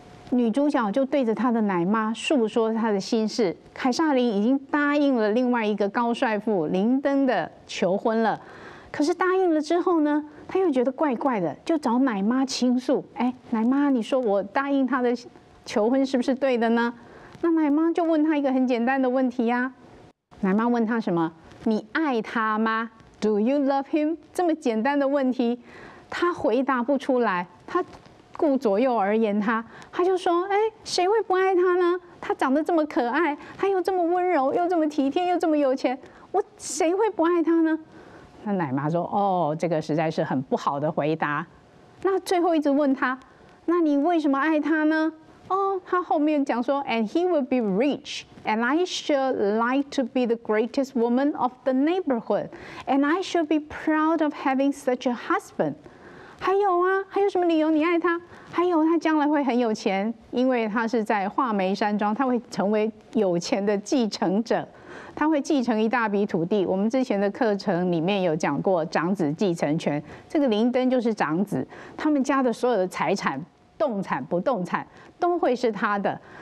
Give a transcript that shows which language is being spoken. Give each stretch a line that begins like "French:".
Chinese: 女主角就对着她的奶妈述说她的心事，凯撒琳已经答应了另外一个高帅富林登的求婚了，可是答应了之后呢，他又觉得怪怪的，就找奶妈倾诉。哎，奶妈，你说我答应他的求婚是不是对的呢？那奶妈就问他一个很简单的问题呀。奶妈问他什么？你爱他吗 ？
English: Do you love him？
Chinese: 这么简单的问题，他回答不出来。他顾左右而言他，他就说：哎，谁会不爱他呢？他长得这么可爱，他又这么温柔，又这么体贴，又这么有钱，我谁会不爱他呢？那奶妈说：哦，这个实在是很不好的回答。那最后一直问他，那你为什么爱他呢？哦，他后面讲说
English: And he will be rich And I should like to be the greatest woman of the neighborhood And I should be proud of having such a husband。
Chinese: 还有啊，还有什么理由你爱他？还有他将来会很有钱，因为他是在画眉山庄，他会成为有钱的继承者，他会继承一大笔土地。我们之前的课程里面有讲过长子继承权，这个林登就是长子，他们家的所有的财产，动产不动产都会是他的。